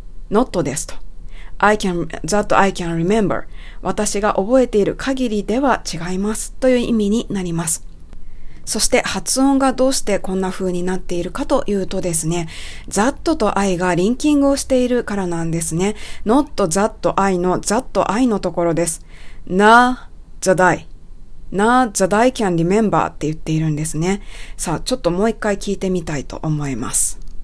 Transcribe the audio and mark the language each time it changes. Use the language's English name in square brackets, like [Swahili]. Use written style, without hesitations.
[Japanese] not ですと。 [English] that I can remember [Japanese] 私が覚えている限りでは違いますという意味になります。そして発音がどうしてこんな風になっているかというとですね、 that と I がリンキングをしているからなんですね。 not that I の that I のところです。 [English] not that I can remember [Japanese] って言っているんですね。さあ、ちょっともう一回聞いてみたいと思います。